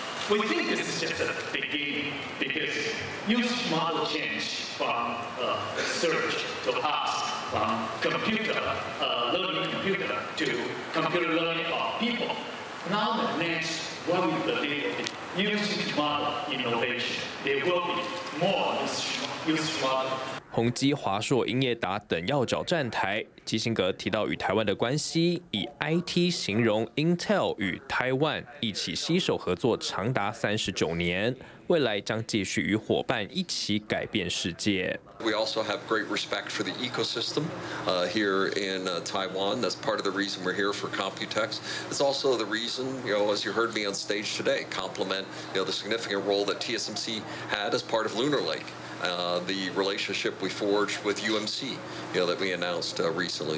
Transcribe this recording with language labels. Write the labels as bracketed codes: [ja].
[en] We think this is just a beginning because huge model change from search to ask, from computer learning computer to computer learning of people. Now the next what we believe will be huge model innovation. There will be more [zh] 宏基、华硕、英业达等要角站台。基辛格提到与台湾的关系，以 IT 形容 Intel 与台湾一起携手合作长达39年，未来将继续与伙伴一起改变世界。 [en] We also have great respect for the ecosystem here in Taiwan. That's part of the reason we're here for Computex. It's also the reason, you know, as you heard me on stage today, compliment, you know, the significant role that TSMC had as part of Lunar Lake, the relationship we forged with UMC, you know, that we announced recently.